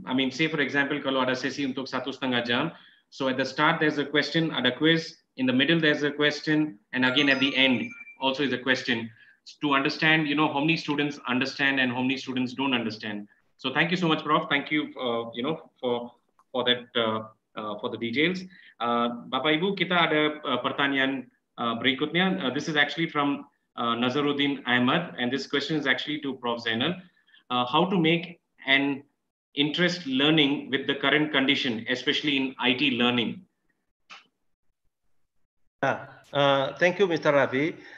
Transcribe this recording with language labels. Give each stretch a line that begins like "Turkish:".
English: I mean, say for example,
Indonesian: kalau ada sesi untuk satu setengah jam,
English: so at the start there's a question, ada quiz. In the middle there's a question, and again at the end also is a question to understand, you know, how many students understand and how many students don't understand. So thank you so much, Prof. Thank you, you know, for that for the details.
Indonesian: Bapak Ibu, kita ada pertanyaan berikutnya.
English: This is actually from Nazaruddin Ahmad, and this question is actually to Prof. Zainal. How to make an interest learning with the current condition, especially in IT learning? Thank you, Mr. Rafi.